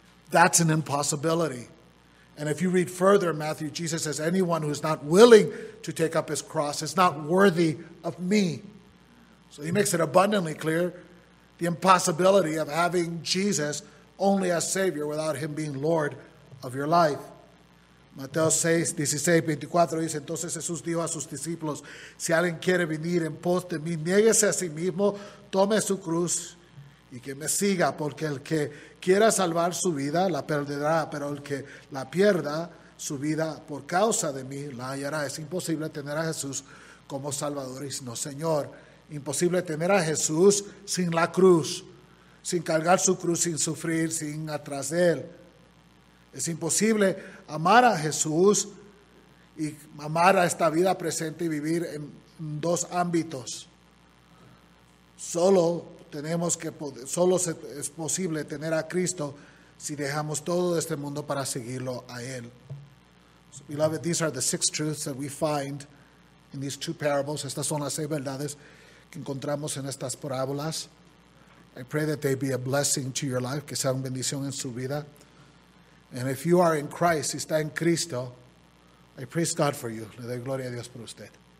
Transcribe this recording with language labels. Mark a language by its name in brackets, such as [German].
[English] That's an impossibility. And if you read further, Matthew, Jesus says, anyone who is not willing to take up his cross is not worthy of me. So he makes it abundantly clear the impossibility of having Jesus only as Savior without him being Lord of your life. [Spanish] Mateo 16:24 dice, entonces Jesús dijo a sus discípulos, si alguien quiere venir en pos de mí, niéguese a sí mismo, tome su cruz y que me siga, porque el que quiera salvar su vida la perderá, pero el que la pierda su vida por causa de mí la hallará. Es imposible tener a Jesús como Salvador y no Señor. Imposible tener a Jesús sin la cruz, sin cargar su cruz, sin sufrir, sin atrás de él. Es imposible amar a Jesús y amar a esta vida presente y vivir en dos ámbitos. Solo tenemos que poder, solo es posible tener a Cristo si dejamos todo de este mundo para seguirlo a Él. [English] So, beloved, these are the six truths that we find in these two parables. [Spanish] Estas son las seis verdades que encontramos en estas parábolas. [English] I pray that they be a blessing to your life, [Spanish] que sea una bendición en su vida. [English] And if you are in Christ, [Spanish] si está en Cristo, [English] I praise God for you. [Spanish] Le doy gloria a Dios por usted.